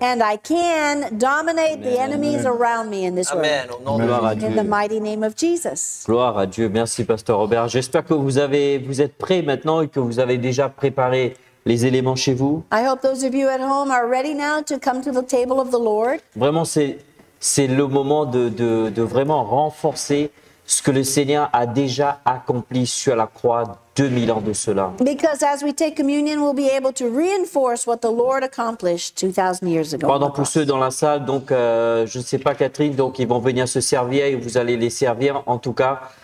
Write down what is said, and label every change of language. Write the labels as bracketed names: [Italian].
[English] And I can dominate the enemies around me in this world. In the mighty name of Jesus. [French] Gloire à Dieu. Merci, Pasteur Robert. J'espère que vous êtes prêts maintenant et que vous avez déjà préparé les éléments chez vous. [English] I hope those of you at home are ready now to come to the table of the Lord. [French] Vraiment, c'est le moment de vraiment renforcer ce que le Seigneur a déjà accompli sur la croix 2000 ans de cela. [English] Because as we take communion, we'll be able to reinforce what the Lord accomplished 2000 years ago. [French] Pardon pour ceux dans la salle, donc je ne sais pas Catherine, donc ils vont venir se servir et vous allez les servir en tout cas.